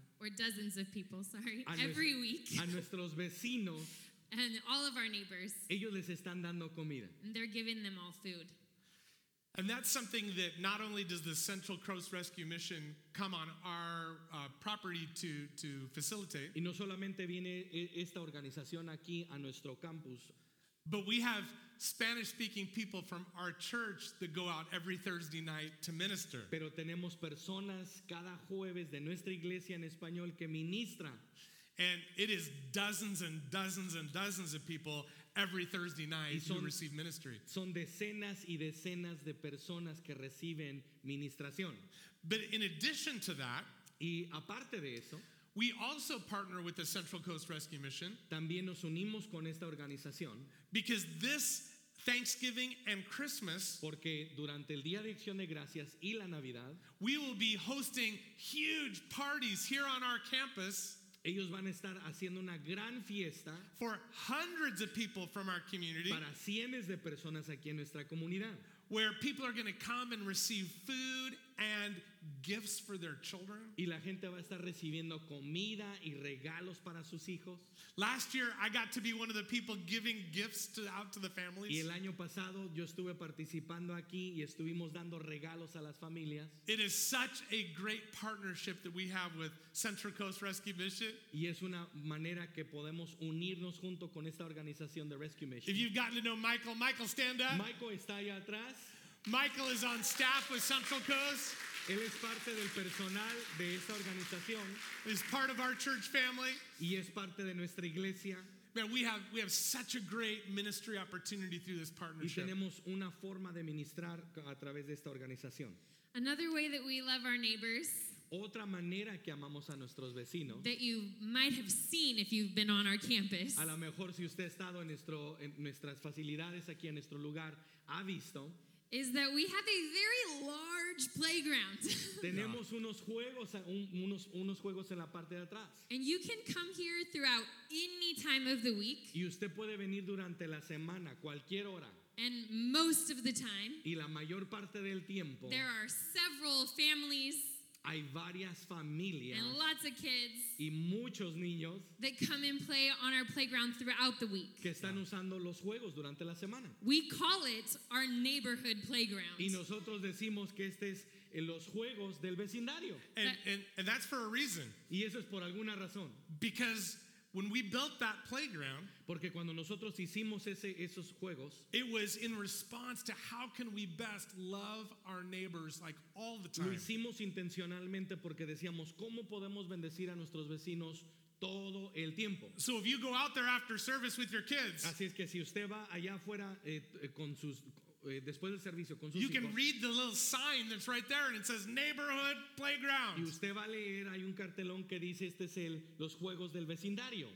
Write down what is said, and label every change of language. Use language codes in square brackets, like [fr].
[en] Or dozens of people, sorry. Every week. [es] A nuestros vecinos. [en] And all of our neighbors. [es] Ellos les están dando comida. [en] And they're giving them all food. And that's something that not only does the Central Coast Rescue Mission come on our property to facilitate. [es] Y no solamente viene esta organización aquí a nuestro campus. [en] But we have Spanish-speaking people from our church that go out every Thursday night to minister. [es] Pero tenemos personas cada jueves de nuestra iglesia en español que ministra. [en] And it is dozens and dozens and dozens of people every Thursday night who receive ministry. [es] Son decenas y decenas de personas que reciben ministración. [en] But in addition to that, [es] y aparte de eso, [en] we also partner with the Central Coast Rescue Mission. [es] También nos unimos con esta organización. [en] Because this Thanksgiving and Christmas, [es] porque durante el Día de Acción de Gracias y la Navidad, [en] we will be hosting huge parties here on our campus. [es] Ellos van a estar haciendo una gran fiesta [en] for hundreds of people from our community, [es] para cientos de personas aquí en nuestra comunidad, [en] where people are going to come and receive food and gifts for their children. [es] Y la gente va a estar recibiendo comida y regalos para sus hijos. [en] Last year I got to be one of the people giving gifts out to the families. [es] Y el año pasado yo estuve participando aquí y estuvimos dando regalos a las familias. [en] It is such a great partnership that we have with Central Coast Rescue Mission. [es] Y es una manera que podemos unirnos junto con esta organización de Rescue Mission. [en] If you've gotten to know Michael, Michael stand up. [es] Michael está allá atrás. [en] Michael is on staff with Central Coast. [es] Él es parte del personal de esta organización. [en] Is part of our church family. [es] Y es parte de nuestra iglesia. [en] Man, we have such a great ministry opportunity through this partnership. [es] Y tenemos una forma de ministrar a través de esta organización. [en] Another way that we love our neighbors. [es] Otra manera que amamos a nuestros vecinos. [en] That you might have seen if you've been on our campus. [es] A lo mejor si usted ha estado en nuestras facilidades aquí en nuestro lugar, ha visto. [en] Is that we have a very large playground. [es] Tenemos unos juegos en la parte de atrás. [en] And you can come here throughout any time of the week. [es] Y usted puede venir durante la semana, cualquier hora. [en] And most of the time. [es] Y la mayor parte del tiempo. [en] There are several families. [es] Hay varias familias. [en] And lots of kids. [es] Y muchos niños. [en] That come and play on our playground throughout the week. [es] Que están usando los juegos durante la semana. [en] We call it our neighborhood playground. [es] Y nosotros decimos que este es en los juegos del vecindario. [en] And that's for a reason. [es] Y eso es por alguna razón. [en] Because when we built that playground, [es] porque cuando nosotros hicimos esos juegos, [en] it was in response to how can we best love our neighbors like all the time. [es] Lo hicimos intencionalmente porque decíamos cómo podemos bendecir a nuestros vecinos todo el tiempo. [en] So if you go out there after service with your kids, [es] así es que si usted va allá afuera con sus después del servicio con sus [en] you [es] hijos, [en] can read the little sign that's right there, and it says neighborhood playground. [es] Y usted va a leer, hay un cartelón que dice este es el los juegos del vecindario.